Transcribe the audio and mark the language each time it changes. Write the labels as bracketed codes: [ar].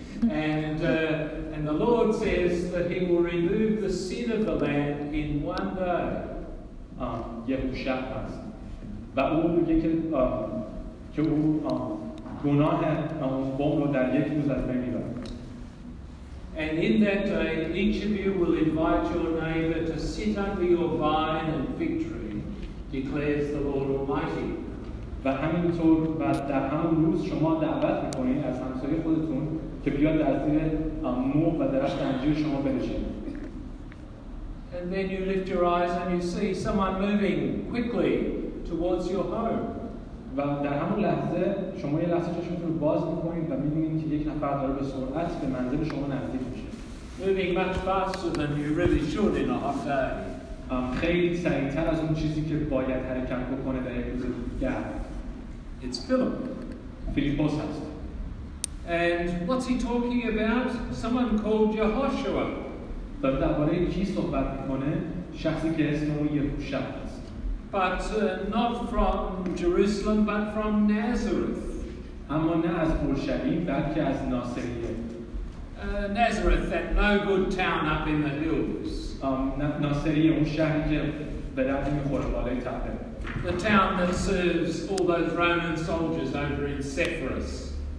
[en] And the Lord says that he will remove the sin of the land in one day. Yehoshua. [fa] و او میگه که او گناه قوم رو در یک روز از بین می‌برد. [en] And in that day, each of you will invite your neighbor to sit under your vine and fig tree, declares the Lord Almighty. [fa] و همینطور و در همون روز شما دعوت می‌کنید از همسایه خودتون که بیاد در زیر مو و درخت انجیر شما بنشینه. [en] And then you lift your eyes and you see someone moving quickly towards your home. [fa] و در همون لحظه شما یه لحظه چشمتون رو باز می‌کنید و می‌بینید که یک نفر داره به سرعت به منزل شما نزدیک میشه. [en] Moving much faster than you really should in a hot day. [fa] خیلی سریع‌تر از اون چیزی که باید حرکت بکنه در یک روز گرم. [en] It's Philip. [fa] فیلیپوس هست. [en] And what's he talking about? Someone called Yehoshua. [fa] در درباره کی صحبت میکنه؟ شخصی که اسمش یهوشوا است. [en] But not from Jerusalem, but from Nazareth. [fa] اما نه از اورشلیم، بلکه از ناصریه. [en] Nazareth, that no good town up in the hills. [fa] ناصریه، اون شهری که به درد نمیخوره بالای تپه. [en] The town that serves all those Roman soldiers over in Sepphoris.